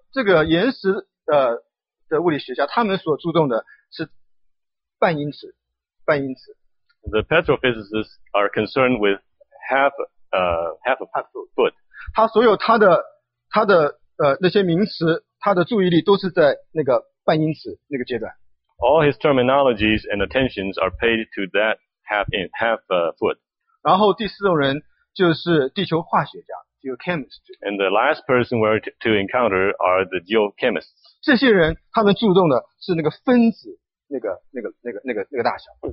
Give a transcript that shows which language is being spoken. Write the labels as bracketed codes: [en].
[zh] 这个岩石的物理学家他们所注重的是半英尺。 [en] The petrophysicists are concerned with half a foot. [zh] 他所有他的那些名词，他的注意力都是在那个半英尺那个阶段。 [en] All his terminologies and attentions are paid to that half foot. [zh] 然后第四种人就是地球化学家 ，geochemist. [en] And the last person we're to encounter are the geochemists. [zh] 这些人他们注重的是那个分子那个大小。